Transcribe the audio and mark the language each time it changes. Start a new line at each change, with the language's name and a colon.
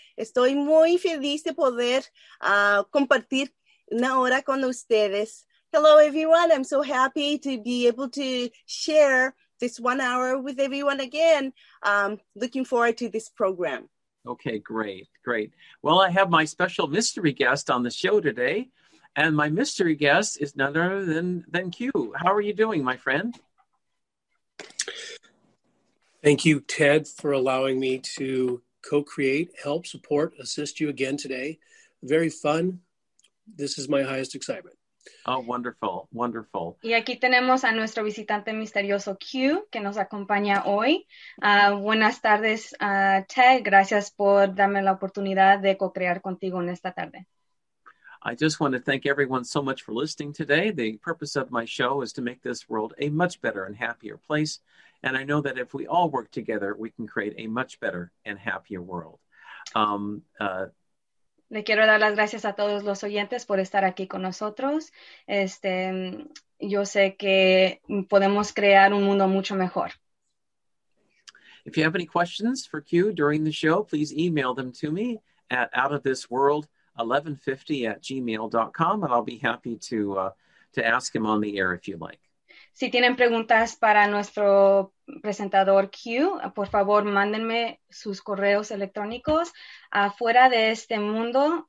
Spanish: Estoy muy feliz de poder compartir una hora con ustedes.
English: Hello, everyone. I'm so happy to be able to share this 1 hour with everyone again. Looking forward to this program. Okay, great. Well, I have my special mystery guest on the show today, and my mystery guest is none other than Q. How are you doing, my friend? Thank you, Ted, for allowing me to co-create, help, support, assist you again today. Very fun. This is my highest excitement. Oh, wonderful, wonderful.
Spanish: Y aquí tenemos a nuestro visitante misterioso Q, que nos acompaña hoy. Buenas tardes, Ted. Gracias por darme la oportunidad de co-crear contigo en esta tarde.
English: I just want to thank everyone so much for listening today. The purpose of my show is to make this world a much better and happier place. And I know that if we all work together, we can create a much better and happier world.
Spanish: Le quiero dar las gracias a todos los oyentes por estar aquí con nosotros. Yo sé que podemos crear un mundo mucho mejor.
English: If you have any questions for Q during the show, please email them to me at outofthisworld1150@gmail.com, and I'll be happy to ask him on the air if you like.
Spanish: Si tienen preguntas para nuestro presentador Q, por favor, mándenme sus correos electrónicos afuera de este mundo.